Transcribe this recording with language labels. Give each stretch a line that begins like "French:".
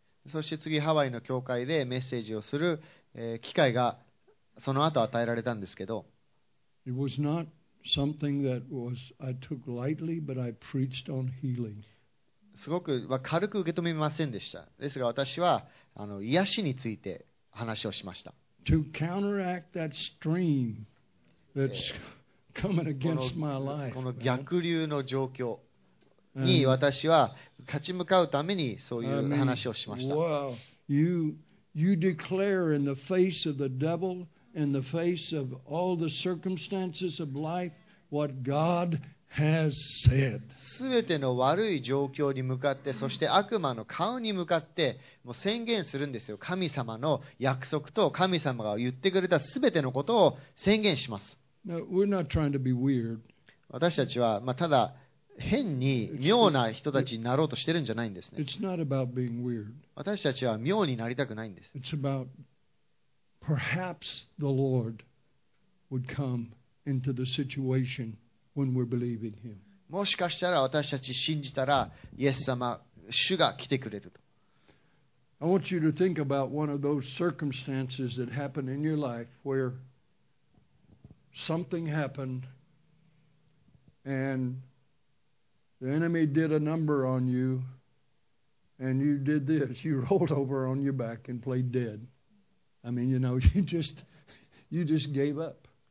Japanese: そして次ハワイの教会でメッセージをする、機会がその後与えられたんですけど、すごく、軽く受け止めませんでした。ですが私は癒しについて話をしました。
English: To counteract that stream that's coming against my life.
Japanese: この逆流の状況に私は立ち向かうためにそういう話をしました。
English: Wow, you declare in the face of the devil, in the face of all the circumstances of life, what God has said.
Japanese: すべての悪い状況に向かって、そして悪魔の顔に向かってもう宣言するんですよ。神様の約束と神様が言ってくれたすべてのことを宣言します。
English: Now, we're not trying to be weird.
Japanese: 私たちは、ただ変に妙な人たちになろうとしてるんじゃないんですね。
English: It's not about being weird.
Japanese: 私たちは妙になりたくないんです。
English: It's about perhaps the Lord would come into the situation when we're believing Him.
Japanese: もしかしたら私たち信じたら、イエス様、主が来てくれると。
English: I want you to think about one of those circumstances that happened in your life where something happened and the enemy did a number on you and you did this. You rolled over on your back and played dead. I mean, you know, you just gave up.